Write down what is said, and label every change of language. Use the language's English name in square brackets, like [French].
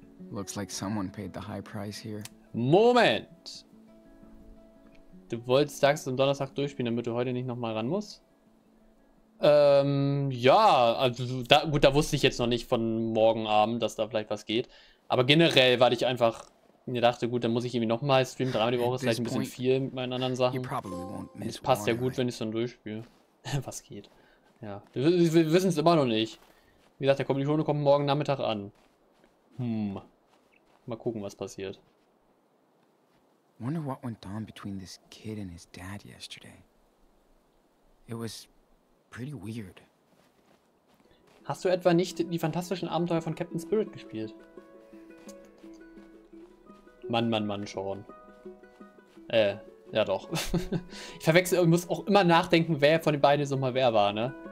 [English] Looks like someone paid the high price here. [German] Moment! Du wolltest Tags am Donnerstag durchspielen, damit du heute nicht nochmal ran musst? Ja, also da, gut, da wusste ich jetzt noch nicht von morgen Abend, dass da vielleicht was geht. Aber generell, weil ich einfach mir dachte, gut, dann muss ich irgendwie nochmal streamen, dreimal die Woche ist vielleicht ein bisschen viel mit meinen anderen Sachen. Es passt ja gut, wenn ich es dann durchspiele. Was geht? Ja, wir wissen es immer noch nicht. Wie gesagt, der Kommilitone kommt morgen Nachmittag an. Mal gucken, was passiert. [English] Wonder what went on between this kid and his dad yesterday. It was pretty weird. [German] Hast du etwa nicht die fantastischen Abenteuer von Captain Spirit gespielt? Mann, Sean. Ja doch. Ich verwechsel, ich muss auch immer nachdenken, wer von den beiden so mal wer war, ne?